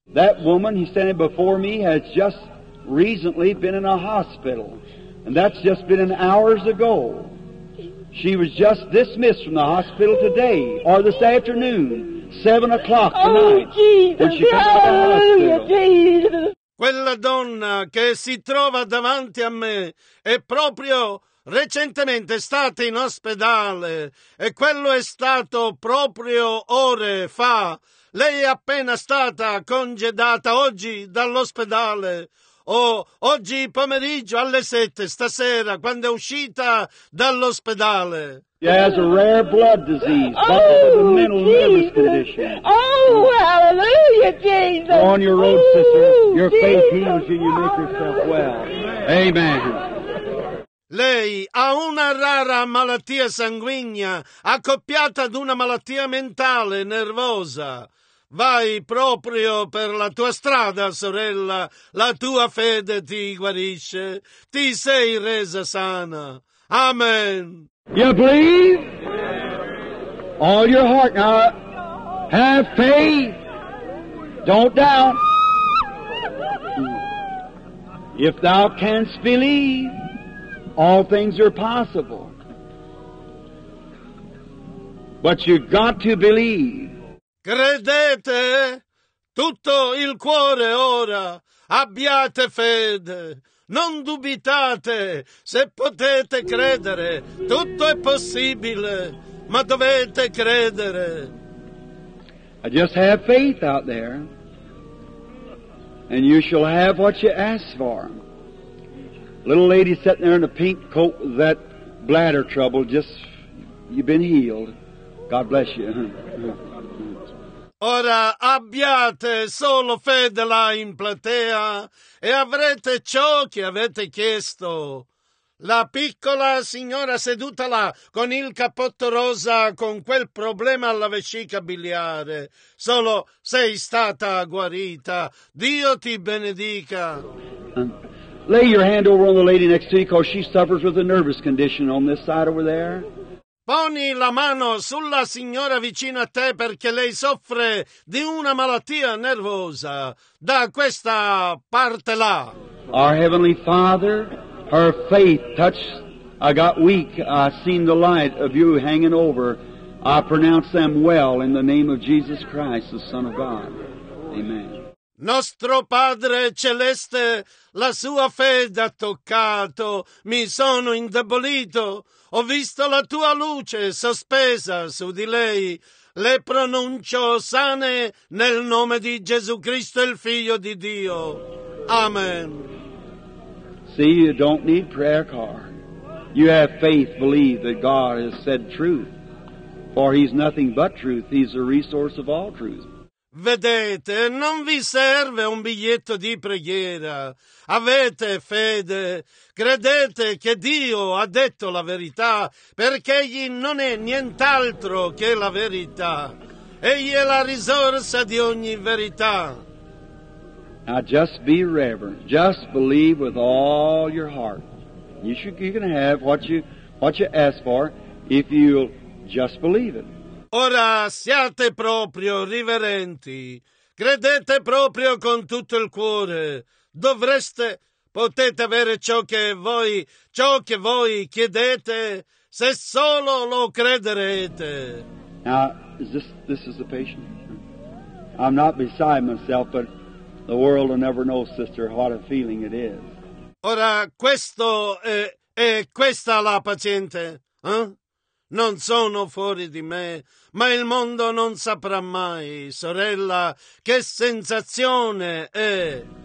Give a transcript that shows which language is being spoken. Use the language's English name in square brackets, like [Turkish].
[English] That woman who's standing before me has just recently been in a hospital, and that's just been an hours ago. She was just dismissed from the hospital today or this afternoon. 7 o'clock tonight. Oh, Jesus. When she comes to the hospital. Hallelujah, Jesus. [Italian] Quella donna che si trova davanti a me è proprio recentemente stata in ospedale e quello è stato proprio ore fa. Lei è appena stata congedata oggi dall'ospedale. Oggi pomeriggio alle 7 stasera quando è uscita dall'ospedale. [English] She has a rare blood disease, but with a mental illness condition. Oh, hallelujah, Jesus. Go on your road, sister. Your faith heals you, you make yourself well. Amen. [Italian] Lei ha una rara malattia sanguigna accoppiata ad una malattia mentale nervosa. Vai proprio per la tua strada, sorella. La tua fede ti guarisce. Ti sei resa sana. Amen. [English] You believe? All your heart now. Have faith. Don't doubt. If thou canst believe, all things are possible. But you've got to believe. [Italian] Credete tutto il cuore ora. Abbiate fede. Non dubitate, se potete credere, tutto è possibile, ma dovete credere. [English] I just have faith out there, and you shall have what you ask for. Little lady sitting there in a pink coat with that bladder trouble, just, you've been healed. God bless you. [Italian] Ora abbiate solo fede là in platea e avrete ciò che avete chiesto. La piccola signora seduta là con il cappotto rosa con quel problema alla vescica biliare. Solo sei stata guarita. Dio ti benedica. [English] Lay your hand over on the lady next to you because she suffers with a nervous condition on this side over there. [Italian] Poni la mano sulla signora vicino a te perché lei soffre di una malattia nervosa da questa parte là. [English] Our Heavenly Father, her faith touched. I got weak. I seen the light of you hanging over. I pronounce them well in the name of Jesus Christ, the Son of God. Amen. [Italian] Nostro Padre Celeste, la sua fede ha toccato. Mi sono indebolito. Ho visto la tua luce sospesa su di lei. Le pronuncio sane nel nome di Gesù Cristo, il Figlio di Dio. Amen. [English] See, you don't need prayer card. You have faith, believe that God has said truth. For he's nothing but truth. He's the resource of all truth. [Italian] Vedete, non vi serve un biglietto di preghiera. Avete fede. Credete che Dio ha detto la verità, perché Egli non è nient'altro che la verità. Egli è la risorsa di ogni verità. [English] Now just be reverent. Just believe with all your heart. You can have what you ask for if you just believe it. [Italian] Ora siate proprio riverenti, credete proprio con tutto il cuore, potete avere ciò che voi chiedete se solo lo crederete. [English] Now, this is the patient. I'm not beside myself, but the world will never know, sister, what a feeling it is. [Italian] Ora, questo è questa la paziente, eh? Non sono fuori di me, ma il mondo non saprà mai, sorella, che sensazione è.